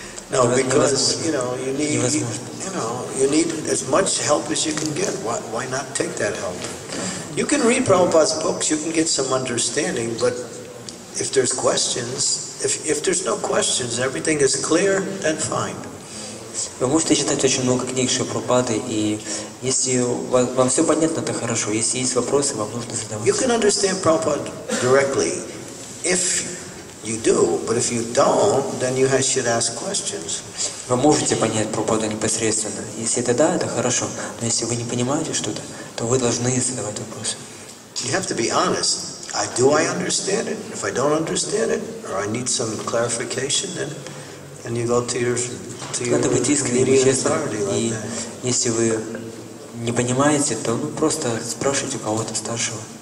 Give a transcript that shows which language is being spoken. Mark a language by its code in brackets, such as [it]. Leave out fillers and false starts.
[en] No, because you need as much help as you can get. Why not take that help? You can read Prabhupada's books, you can get some understanding, but if there's questions, if there's no questions, everything is clear, then fine. [ru] Вы можете читать очень много книг Шри Прабхупады, и если вам все понятно, то хорошо. Если есть вопросы, вам нужно задавать. [en] You can understand Prabhupada directly. If you do, but if you don't, then you should ask questions. [ru] Вы можете понять Прабхупаду непосредственно. Если это да, это хорошо. Но если вы не понимаете что-то, то вы должны задавать вопросы. [en] You have to be honest. Do I understand it? If I don't understand it, or I need some clarification, then and you go to your [ru] Надо быть искренним и честным. И если вы не понимаете, то ну, просто спрашивайте у кого-то старшего.